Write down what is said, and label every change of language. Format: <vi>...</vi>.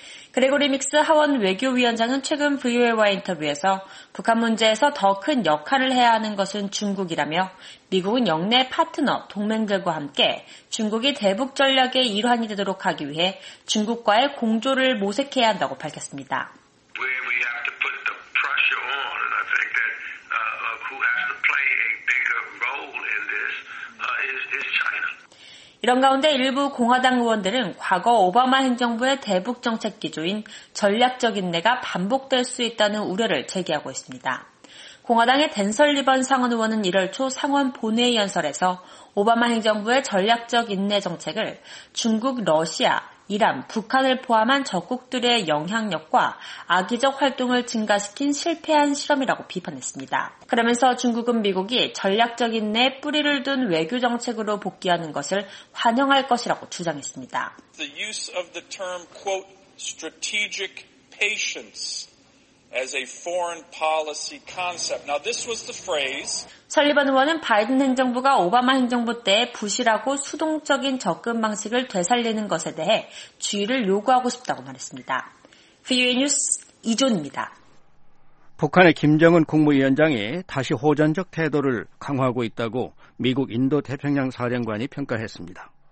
<ko>그레고리 믹스 하원 외교위원장은 최근 VOA와 인터뷰에서 북한 문제에서 더 큰 역할을 해야 하는 것은 중국이라며 미국은 영내 파트너, 동맹들과 함께 중국이 대북 전략의 일환이 되도록 하기 위해 중국과의 공조를 모색해야 한다고 밝혔습니다.</ko> <en>Where we have to put the pressure on, and I think that who has to play a bigger role in this is China.</en> <ko>이런 가운데 일부 공화당 의원들은 과거 오바마 행정부의 대북 정책 기조인 전략적 인내가 반복될 수 있다는 우려를 제기하고 있습니다. 공화당의 댄 설리번 상원 의원은 1월 초 상원 본회의 연설에서 오바마 행정부의 전략적 인내 정책을 중국, 러시아, 이란, 북한을 포함한 적국들의 영향력과 악의적 활동을 증가시킨 실패한 실험이라고 비판했습니다. 그러면서 중국은 미국이 전략적인 내 뿌리를 둔 외교 정책으로 복귀하는 것을 환영할 것이라고 주장했습니다.</ko> <en>The use of the term, quote, strategic patience as a foreign policy concept. Now this was the phrase.</en> <ko>설리번 의원은 바이든 행정부가 오바마 행정부 때 부실하고 수동적인 접근 방식을 되살리는 것에 대해 주의를 요구하고 싶다고 말했습니다. VOA 뉴스 이존입니다. 북한의 김정은 국무위원장이 다시 호전적 태도를 강화하고 있다고 미국 인도태평양 사령관이 평가했습니다.</ko>